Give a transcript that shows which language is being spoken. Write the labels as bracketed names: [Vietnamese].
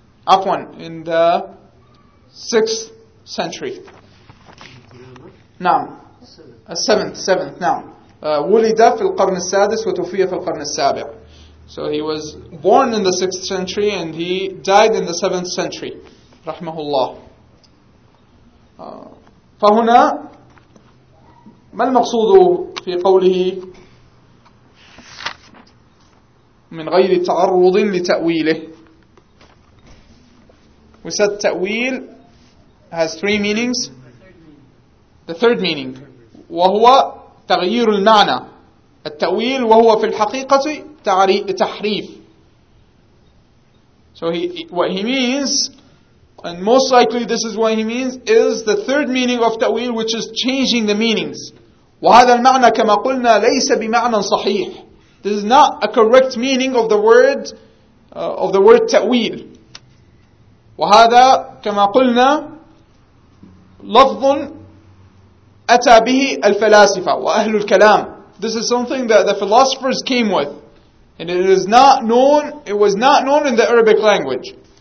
[English] Afwan, in the 6th century. Naam. Seventh. Naam. [Arabic] Wulida fil qarn as-sadis wa tufiya fil qarn as-sabi'. [English] So he was born in the 6th century and he died in the 7th century. [Arabic] Rahmahullah. فهنا ما المقصود في قوله من غير تعرض لتأويله؟ [English] We said تأويل has three meanings. The third meaning. [Arabic] وهو تغيير المعنى. التأويل وهو في الحقيقة تحريف. [English] So what he means, and most likely this is what he means, is the third meaning of تأويل, which is changing the meanings. [Arabic] وهذا المعنى كما قلنا ليس بمعنى صحيح. [English] This is not a correct meaning of the word تأويل. [Arabic] وهذا كما قلنا لفظ أتى به الفلاسفة وأهل الكلام. [English] This is something that the philosophers came with. And it is not known, it was not known in the Arabic language.